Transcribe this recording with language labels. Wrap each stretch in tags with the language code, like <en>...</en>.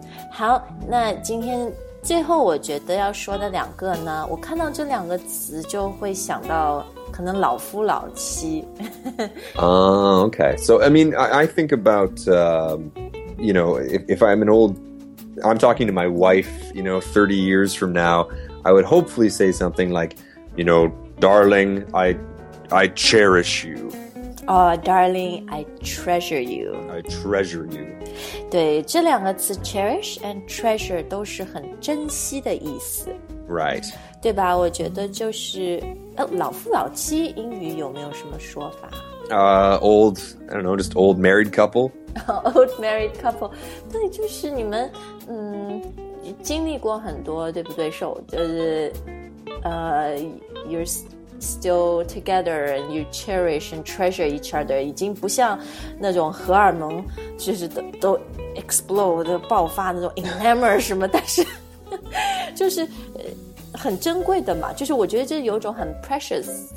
<zh>好，那今天最后我觉得要说的两个呢，我看到这两个词就会想到可能老夫老妻。</zh> <en>okay. So, I mean, I think about, you know, if I'm an old, I'm talking to my wife, you know, 30 years from now, I would hopefully say something like, you know, darling, I cherish you. Oh, darling, I treasure you. I treasure you.</en> <zh>对，这两个词</zh> <en>cherish and treasure</en> <zh>都是很珍惜的意思。</zh> <en>Right.</en> <zh>对吧，我觉得就是老夫老妻英语有没有什么说法？</zh> <en>Old, I don't know, just old married couple. Old married couple.</en> <zh>对，就是你们经历过很多，对不对？</zh> <en>You're still together and you cherish and treasure each other.</en> <zh>已经不像那种荷尔蒙就是 都 explode 爆发那种 enamor 什么，但是就是很珍贵的嘛，就是我觉得这有种很 precious,</zh>